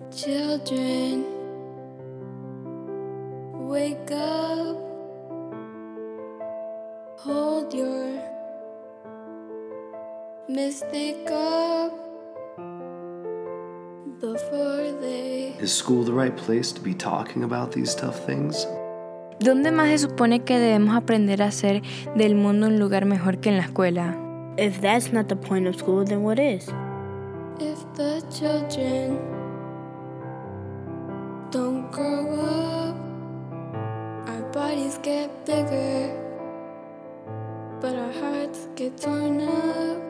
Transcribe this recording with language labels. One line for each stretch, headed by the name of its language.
English: Children, wake up. Hold your mistake up before they... Is school the right place to be talking about these tough things?
Spanish: ¿Dónde más se supone que debemos aprender a hacer del mundo un lugar mejor que en la escuela?
English: If that's not the point of school, then what is? If the children don't grow up, our bodies get bigger, but our hearts get torn up.